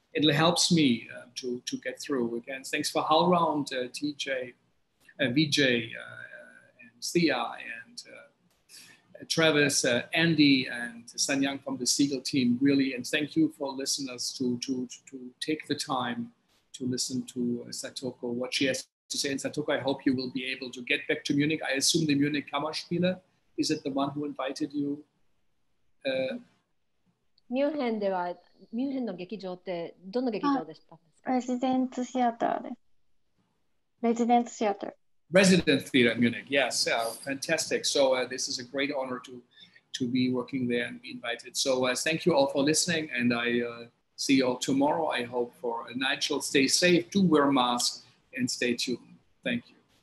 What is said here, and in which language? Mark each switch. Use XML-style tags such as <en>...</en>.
<en>It helps me to get through. Again, thanks for HowlRound, TJ, VJ, and Thea, and Travis, Andy, and San Yang from the Segal team, really. And thank you for listeners to take the time to listen to Satoko, what she has to say. And Satoko, I hope you will be able to get back to Munich. I assume the Munich Kammerspiele, is it the one who invited you?</en> <ja>München では... ミュンヘンの劇場ってどの劇場でしたんですか？レジデンツシアターです。レジデンツシアター、レジデンツシアターミュンヘン。</ja> <en>Yes, fantastic. So this is a great honor to be working there and be invited. So thank you all for listening, and I see you all tomorrow. I hope for Nigel, stay safe, do wear masks, and stay tuned. Thank you.</en>